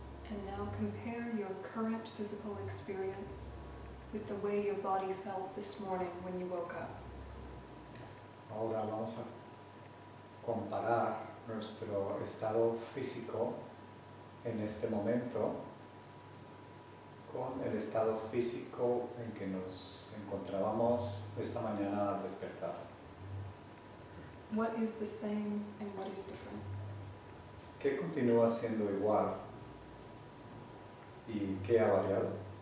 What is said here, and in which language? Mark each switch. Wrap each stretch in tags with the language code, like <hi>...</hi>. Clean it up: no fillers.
<en>And now compare your current physical experience with the way your body felt this morning when you woke up.</en> <es>Ahora vamos a comparar nuestro estado físico en este momento con el estado físico en que nos encontrábamos esta mañana al despertar.</es> <en>What is the same and what is different?</en> <es>¿Qué continúa siendo igual? ¿Y qué ha variado?</es>